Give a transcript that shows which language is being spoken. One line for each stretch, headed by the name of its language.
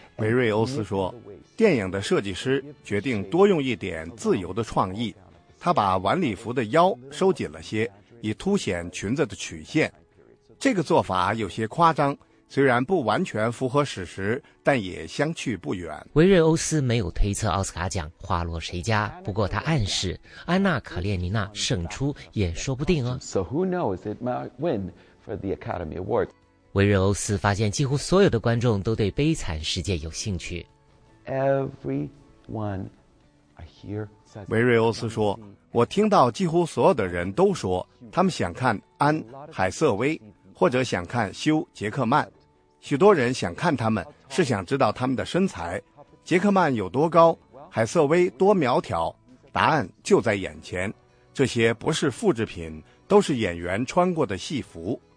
Chinese: 维瑞欧斯说，电影的设计师决定多用一点自由的创意，他把晚礼服的腰收紧了些，以凸显裙子的曲线。这个做法有些夸张，虽然不完全符合史实，但也相去不远。维瑞欧斯没有推测奥斯卡奖花落谁家，不过他暗示安娜·卡列尼娜胜出也说不定哦。
English: So who knows it might win for the Academy Award.
Chinese: 维瑞欧斯发现几乎所有的观众都对悲惨世界有兴趣。
English: Everyone I hear says.
Chinese: 维瑞欧斯说，我听到几乎所有的人都说他们想看安·海瑟薇，或者想看修·杰克曼，许多人想看他们是想知道他们的身材，杰克曼有多高，海瑟薇多苗条，答案就在眼前，这些不是复制品，都是演员穿过的戏服。